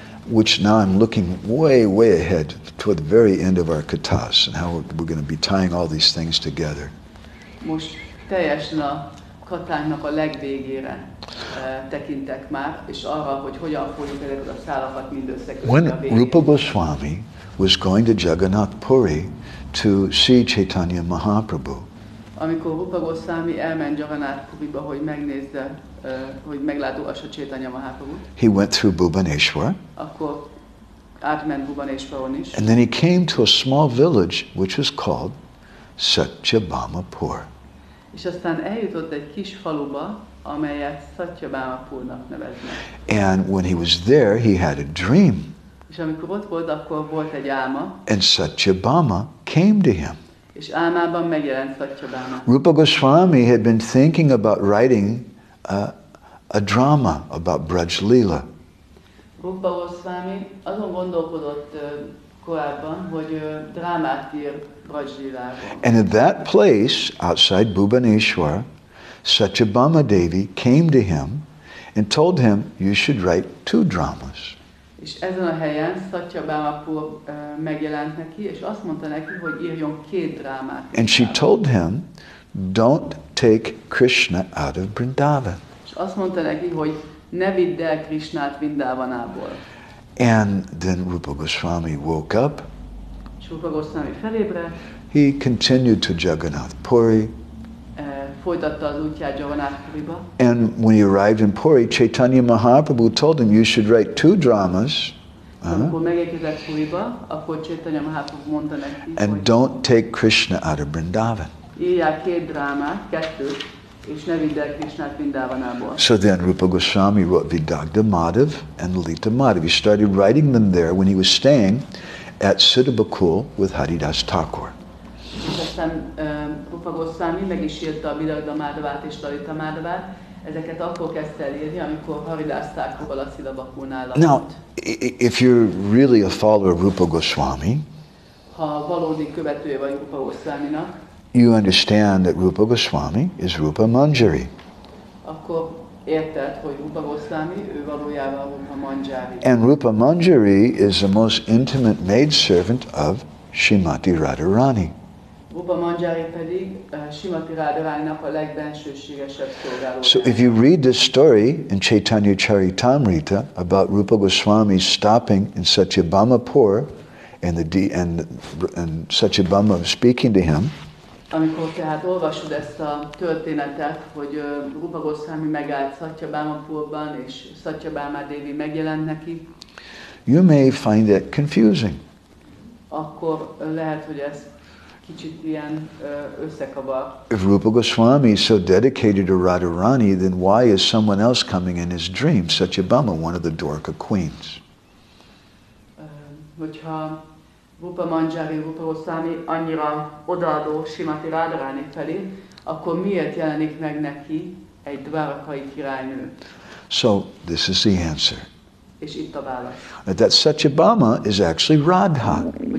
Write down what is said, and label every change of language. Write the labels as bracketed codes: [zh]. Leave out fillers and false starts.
[en] Which now I'm looking way, way ahead toward the very end of our katas and how we're going to be tying all these things together. [hu] Most teljesen a katánknak a legvégére tekintek már, és arra, hogy hogyan fogjuk ezeket a szálakat mindösszekötni. [en] When Rupa Goswami was going to Jagannath Puri to see Chaitanya Mahaprabhu, [hu] amikor Rupa Goswami elment Jagannath Puriba, hogy megnézze, hogy meglátogassa Chaitanya Mahaprabhut. [en] He went through Bhubaneswar. [hu] Akkor átment Bhubaneswaron is. [en] And then he came to a small village, which was called Satyabhamapur. [hu] És aztán eljutott egy kis faluba, amelyet Satyabhamapurnak neveznek. [en] And when he was there, he had a dream. [hu] És amikor ott volt, akkor volt egy álma. [en] And Satyabhama came to him. [hu] És álmában megjelent Satyabhama. [en] Rupa Goswami had been thinking about writing a drama about Braj Leela. [hu] Rupa Goswami azon gondolkodott korábban, hogy drámát ír Braj Leelában. [en] And at that place, outside Bhubaneswar, Satyabhama Devi came to him and told him, "You should write two dramas." [hu] És ezen a helyen Satyabhamapur megjelent neki, és azt mondta neki, hogy írjon két drámát. [en] And she told him, "Don't take Krishna out of Vrindavan." [hu] És azt mondta neki, hogy ne vidd el Krishnát Vrindavanából. [en] And then Rupa Goswami woke up. [hu] És Rupa Goswami felébredt. [en] He continued to Jagannath Puri. [hu] Folytatta az útját Jagannath Puriba. [en] And when he arrived in Puri, Chaitanya Mahaprabhu told him, "You should write two dramas." [hu] Amikor megérkezett Puriba, akkor Chaitanya Mahaprabhu mondta neki, [en] "And don't take Krishna out of Vrindavan." [hu] Írják két drámát, kettőt, és ne vidd el Krishnát Vrindavanából. [en] So then Rupa Goswami wrote Vidagdha Madhav and Lalita Madhav. He started writing them there when he was staying at Siddhabakul with Haridas Thakur. [hu] És aztán Rupa Goswami meg is írta a Vidagdha Madhavát és Lalita Madhavát. Ezeket akkor kezdte írni, amikor Haridas Thakurval a Siddhabakulnál lakott. [en] Now, if you're really a follower of Rupa Goswami, [hu] ha valódi követője vagy Rupa Goswaminak, [en] you understand that Rupa Goswami is Rupa Manjari. [hu] Akkor érted, hogy Rupa Goswami, ő valójában Rupa Manjari. [en] And Rupa Manjari is the most intimate maidservant of Srimati Radharani. [hu] Rupa Manjari pedig Srimati Radharani-nak a legbensőségesebb szolgálója. [en] So if you read this story in Chaitanya Charitamrita about Rupa Goswami stopping in Satyabhamapur and the and Satyabhama speaking to him. [hu] Amikor tehát olvasod ezt a történetet, hogy Rupa Goszvámi megállt Satyabhamapurban és Satyabhama Devi megjelent neki. [en] You may find it confusing. [hu] Akkor lehet, hogy ez kicsit ilyen összekavar. [en] If Rupa Goswami is so dedicated to Radharani, then why is someone else coming in his dream, Satyabhama, one of the Dwarka queens? [hu] Hogyha Rupa Manjari, Rupa Goswami annyira odaadó Srimati Radharani felé, akkor miért jelenik meg neki egy dvárakai királynő? [en] So, this is the answer. [hu] És itt a válasz. [en] That Satyabhama is actually Radha.